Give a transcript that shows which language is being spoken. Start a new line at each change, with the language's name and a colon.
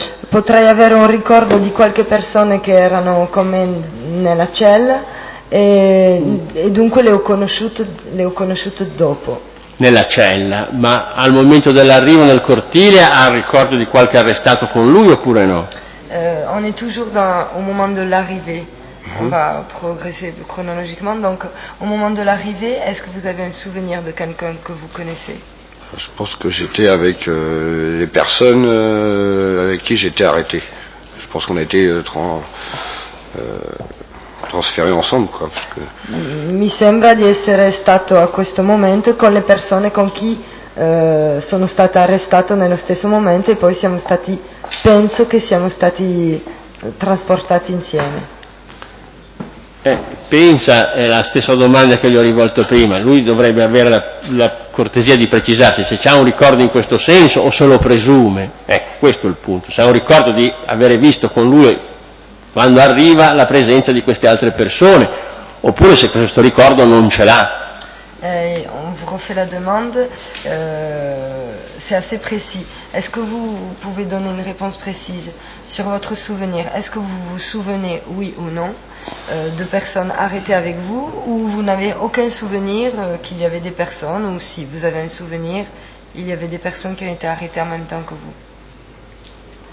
Italian: Potrei avere un ricordo di qualche persona che erano con me nella cella e dunque le ho conosciute dopo. Nella cella, ma al momento dell'arrivo nel cortile ha un ricordo di qualche arrestato con lui oppure no?
French: On est toujours au moment de l'arrivée. On va progresser chronologiquement. Donc, au moment de l'arrivée, est-ce que vous avez un souvenir de quelqu'un que vous connaissez? Je pense que j'étais avec les personnes avec qui j'étais arrêté. Je pense qu'on a été transféré ensemble, quoi. Parce que...
Italian: Mi sembra di essere stato a questo momento con le persone con qui sono stato arrestato nello stesso momento e poi siamo stati, penso che siamo stati trasportati insieme. Pensa, è la stessa domanda che gli ho rivolto prima, lui dovrebbe avere la cortesia di precisarsi se c'è un ricordo in questo senso o se lo presume, questo è il punto, se ha un ricordo di avere visto con lui quando arriva la presenza di queste altre persone, oppure se questo ricordo non ce l'ha.
French: On vous refait la demande, c'est assez précis. Est-ce que vous pouvez donner une réponse précise sur votre souvenir? Est-ce que vous vous souvenez, oui ou non, de personnes arrêtées avec vous ou vous n'avez aucun souvenir qu'il y avait des personnes ou si vous avez un souvenir, il y avait des personnes qui ont été arrêtées en même temps que vous?